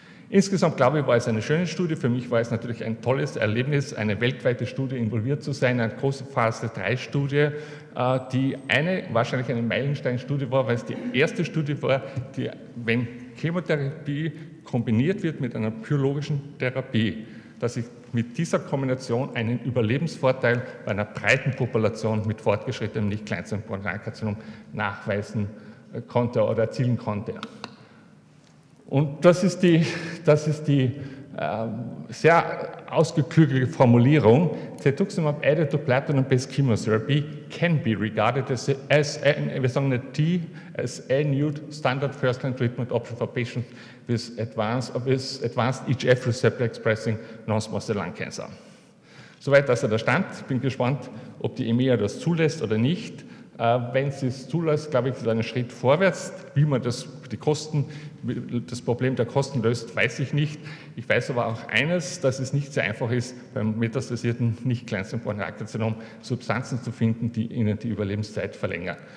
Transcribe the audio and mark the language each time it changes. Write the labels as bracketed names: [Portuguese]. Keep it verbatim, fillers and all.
[German] Insgesamt, glaube ich, war es eine schöne Studie. Für mich war es natürlich ein tolles Erlebnis, eine weltweite Studie involviert zu sein, eine große Phase drei Studie, die eine, wahrscheinlich eine Meilenstein-Studie war, weil es die erste Studie war, die, wenn Chemotherapie kombiniert wird mit einer biologischen Therapie, dass ich mit dieser Kombination einen Überlebensvorteil bei einer breiten Population mit fortgeschrittenem Nicht-Kleinzellen-Bronchialkarzinom nachweisen konnte oder erzielen konnte. Und das ist die, das ist die äh, sehr ausgeklügelte Formulierung. [English] Cetuximab added to platinum-based chemotherapy can be regarded as, as a, [German] wir sagen nicht T, [English] as a new standard first-line treatment option for patients with advanced, with advanced E G F receptor expressing non-small cell lung cancer. [German] Soweit also der Stand. Ich bin gespannt, ob die E M E A das zulässt oder nicht. Äh, wenn sie es zulässt, glaube ich, ist ein Schritt vorwärts. Wie man das, die Kosten, das Problem der Kosten löst, weiß ich nicht. Ich weiß aber auch eines, dass es nicht sehr einfach ist, beim metastasierten Nicht-Kleinzellenbronchialkarzinom Substanzen zu finden, die ihnen die Überlebenszeit verlängern.